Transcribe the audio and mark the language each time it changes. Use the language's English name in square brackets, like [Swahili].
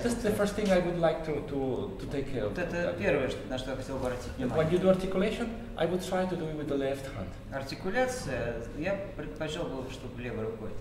[English] This is the first thing I would like to take care of. [Russian] Вот это первое, на что я хотел обратить внимание. [English] When you do articulation, I would try to do it with the left hand. [Russian] Артикуляция, я предпочел бы, чтобы левой рукой.